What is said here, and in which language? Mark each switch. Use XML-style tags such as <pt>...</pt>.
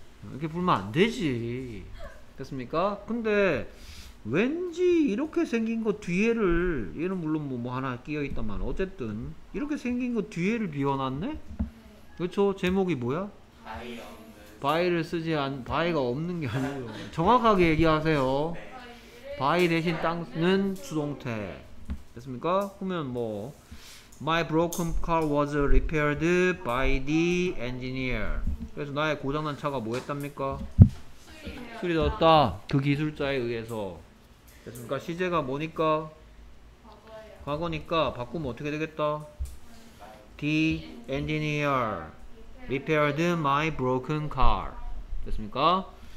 <ko>이렇게 풀면 안 되지 됐습니까? 근데 왠지 이렇게 생긴 거 뒤에를 얘는 물론 뭐 하나 끼어 있다만 어쨌든 이렇게 생긴 거 뒤에를 비워놨네? 그렇죠? 제목이 뭐야? 바이 없는 바이를 쓰지 않 바이가 없는 게 아니고 정확하게 얘기하세요 바이 대신 땅은 수동태 됐습니까? 그러면 뭐</ko> <en>My broken car was repaired by the engineer.</en> <ko>그래서 나의 고장난 차가 뭐 했답니까? 수리 넣었다. 그 기술자에 의해서. 됐습니까? 시제가 뭐니까? 과거예요. 과거니까 바꾸면 어떻게 되겠다?</ko> <en>The engineer repaired my broken car.</en> <ko>됐습니까?</ko>